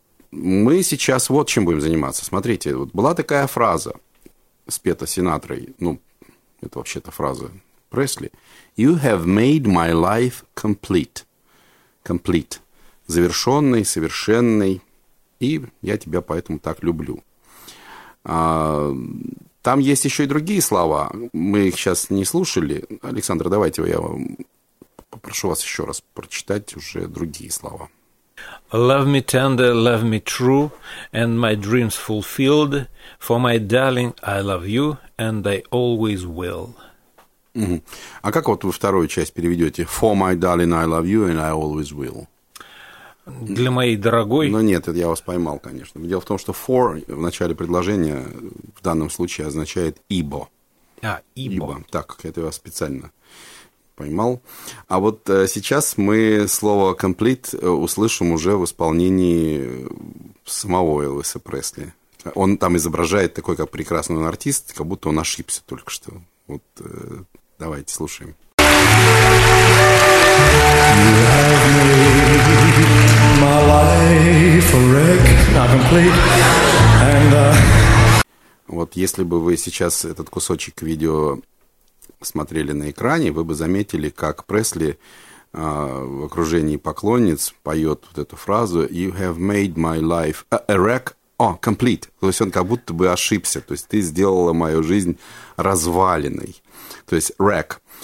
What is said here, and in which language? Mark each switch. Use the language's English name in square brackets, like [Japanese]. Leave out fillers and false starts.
[Russian] Мы сейчас вот чем будем заниматься. Смотрите, вот была такая фраза спета Синатрой, ну, это вообще-то фраза Пресли. [English] You have made my life complete. Complete. [Russian] Завершенный, совершенный. И я тебя поэтому так люблю. Там есть еще и другие слова. Мы их сейчас не слушали. Александр, давайте я попрошу вас еще раз прочитать уже другие слова. [English] Love me tender, love me true, and my dreams fulfilled. For my darling, I love you, and I always will. Mm-hmm. [Russian] А как вот вы вторую часть переведете? [English] For my darling, I love you, and I always will. [Russian] Для моей дорогой... Ну, нет, это я вас поймал, конечно. Дело в том, что for в начале предложения в данном случае означает ибо. А, ибо. Ибо. Так, это я специально поймал. А вот сейчас мы слово complete услышим уже в исполнении самого Элвиса Пресли. Он там изображает такой, как прекрасный артист, как будто он ошибся только что. Вот давайте слушаем. [English] You have made my life a wreck, not complete, and [Russian] Вот если бы вы сейчас этот кусочек видео смотрели на экране, вы бы заметили, как Пресли в окружении поклонниц поет вот эту фразу [English] «You have made my life a wreck, complete». [Russian] То есть он как будто бы ошибся. То есть ты сделала мою жизнь разваленной. То есть wreck.